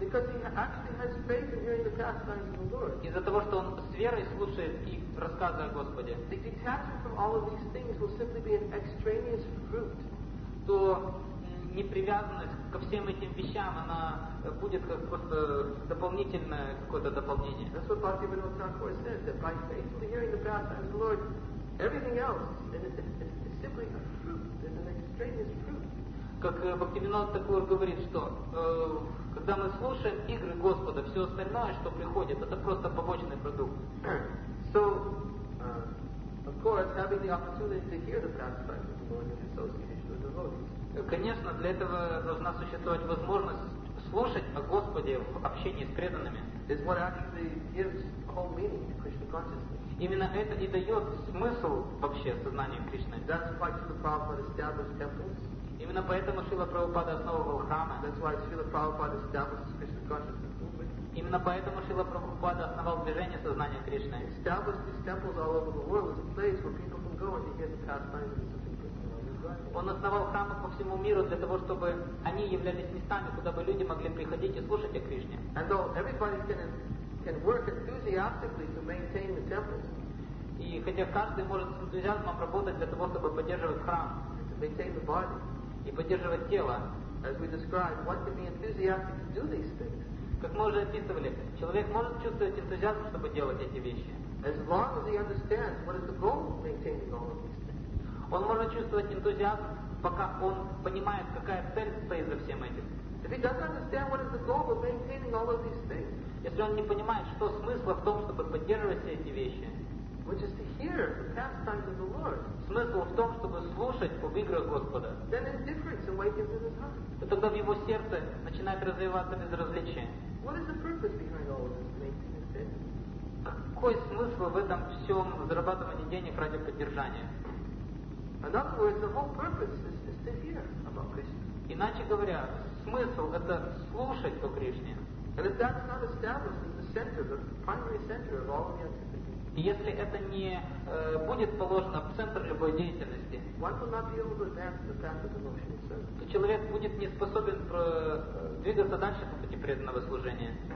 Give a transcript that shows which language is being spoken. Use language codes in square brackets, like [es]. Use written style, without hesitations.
[en] Because he actually has faith in hearing the pastimes of the Lord. [ru] Из-за того, что он с верой слушает и рассказы о Господе. [en] The detachment from all of these things will simply be an extraneous fruit. [ru] То непривязанность ко всем этим вещам, она будет как просто дополнительное какое-то дополнение. [en] That's what Bhaktivinoda Thakur says, that by faithfully hearing the pastimes of the Lord, everything else is simply a fruit, it's an extraneous fruit. [ru] Как Бхактивинода Такур говорит, что когда мы слушаем игры Господа, все остальное, что приходит, это просто побочный продукт. [en] So, of course, having the opportunity to hear the pastimes of the Lord in association with devotees. [ru] Конечно, для этого должна существовать возможность слушать о Господе в общении с преданными. [en] Is what actually gives whole meaning to Krishna consciousness. [ru] Именно это и дает смысл вообще сознанию Кришны. [en] That's why Srila Prabhupada established temples. [ru] Именно поэтому Шрила Прабхупада основывал храмы. [en] That's why Srila Prabhupada established Krishna consciousness movement. [ru] Именно поэтому Шрила Прабхупада основал движение сознания Кришны. [en] Established these temples all over the world as a place where people can go and hear the pastimes of Krishna. [ru] Он основал храмы по всему миру для того, чтобы они являлись местами, куда бы люди могли приходить и слушать о Кришне. [en] And though everybody can work enthusiastically to maintain the temples. [ru] И хотя каждый может с энтузиазмом работать для того, чтобы поддерживать храм. [en] To maintain the body. [ru] И поддерживать тело. [en] As we described, one can be enthusiastic to do these things. [ru] Как мы уже описывали, человек может чувствовать энтузиазм, чтобы делать эти вещи. [en] As long as he understands what is the goal of maintaining all of these things. [ru] Он может чувствовать энтузиазм, пока он понимает, какая цель стоит за всем этим. [en] If he doesn't understand what is the goal of maintaining all of these things. [ru] Если он не понимает, что смысл в том, чтобы поддерживать все эти вещи. [en] Which is to hear the pastimes of the Lord. [ru] Смысл в том, чтобы слушать об играх Господа. [en] Then there's difference in what gives in his heart. [ru] И тогда в его сердце начинает развиваться безразличие. [en] What is the purpose behind all of this making this business? [ru] Какой смысл в этом всем зарабатывании денег ради поддержания? [en] In other words, the whole purpose is to hear about Krishna. [ru] Иначе говоря, смысл — это слушать о Кришне. [en] And if that's not established as the center, the primary center of all of the activities, [ru] и если это не будет положено в центр любой деятельности, то человек будет не способен двигаться дальше по пути преданного служения.